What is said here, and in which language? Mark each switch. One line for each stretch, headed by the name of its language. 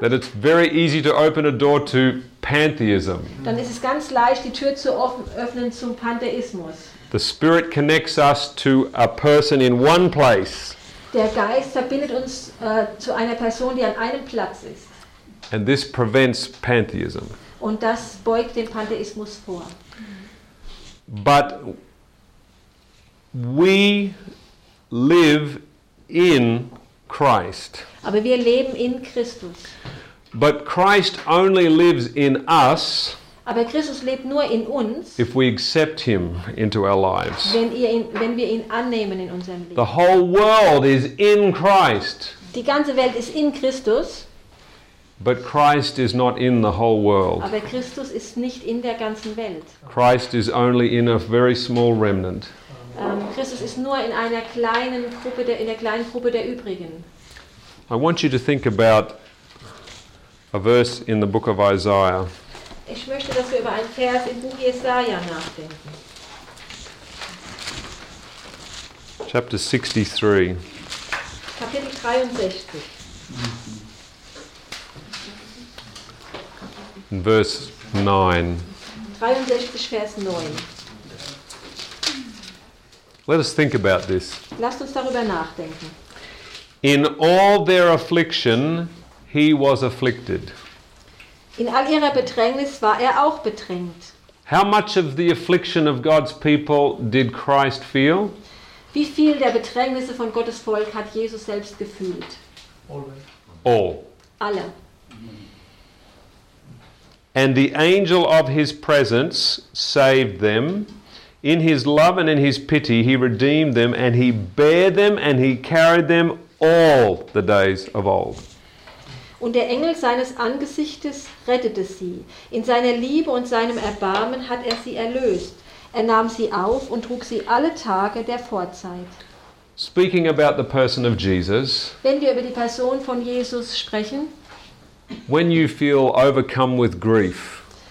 English: then it's very easy to open a door to pantheism.
German: Dann ist es ganz leicht, die Tür zu öffnen zum Pantheismus.
English: The Spirit connects us to a person in one place.
German: Der Geist verbindet uns zu einer Person, die an einem Platz ist.
English: And this prevents pantheism.
German: Und das beugt den Pantheismus vor.
English: But we live in Christ.
German: Aber wir leben in Christus.
English: But Christ only lives in us.
German: Aber Christus lebt nur in uns.
English: If we accept him into our lives.
German: Wenn wir ihn annehmen in unserem Leben.
English: The whole world is in Christ.
German: Die ganze Welt ist in Christus.
English: But Christ is not in the whole world.
German: Aber Christus ist nicht in der ganzen Welt.
English: Christ is only in a very small remnant.
German: Christus ist nur in einer kleinen Gruppe der übrigen.
English: I want you to think about a verse in the book of Isaiah.
German: Ich möchte, dass wir über einen Vers im Buch Jesaja nachdenken.
English: Chapter 63.
German: Kapitel 63.
English: In verse
German: 9. 63, Vers 9.
English: Let us think about this.
German: Lasst uns darüber nachdenken.
English: In all their affliction, he was afflicted.
German: In all ihrer Bedrängnis war er auch bedrängt.
English: How much of the affliction of God's people did Christ feel?
German: Wie viel der Bedrängnisse von Gottes Volk hat Jesus selbst gefühlt?
English: All.
German: Alle.
English: And the angel of his presence saved them. In his love and in his pity he redeemed them and he bare them and he carried them all the days of old.
German: Und der Engel seines Angesichtes rettete sie. In seiner Liebe und seinem Erbarmen hat er sie erlöst. Er nahm sie auf und trug sie alle Tage der Vorzeit.
English: Speaking about the person of Jesus.
German: Wenn wir über die Person von Jesus sprechen.
English: When you feel overcome with grief.